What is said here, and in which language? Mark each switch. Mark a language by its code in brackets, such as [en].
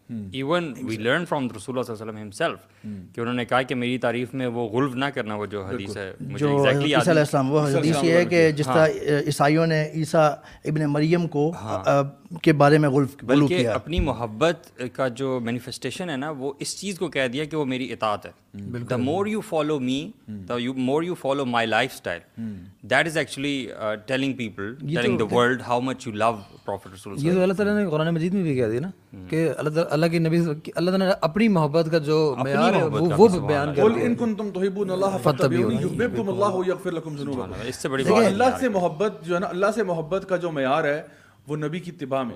[en] even we learn from [ur] رسول اللہ صلی اللہ علیہ وسلم ہمسیلف, کہ انہوں نے کہا کہ میری تعریف میں وہ غلو نہ کرنا, وہ جو حدیث ہے جو عیسیٰ علیہ السلام, وہ حدیث یہ ہے کہ جس طرح عیسائیوں نے عیسیٰ ابن مریم کو کے بارے میں غلو کیا, بلکہ اپنی محبت کا جو مینیفیسٹیشن ہے نا وہ اس چیز کو کہہ دیا کہ وہ میری اطاعت ہے. [en] The more you follow me, the more you follow my lifestyle, that is actually telling people, telling the world how much you love prophet رسول. [ur] یہ تو اللہ تعالیٰ نے قرآن مجید میں بھی کہہ دیا نا کہ اللہ تعالیٰ نے اپنی محبت کا جو معیار ہے وہ بیان کر دیا. [ar] ان کنتم تحبون اللہ فتبعونی یحببکم اللہ یغفر لکم ذنوبکم. [ur] اس سے بڑی بات اللہ سے محبت جو ہے نا, اللہ سے محبت کا جو معیار ہے وہ نبی کی اتباع میں.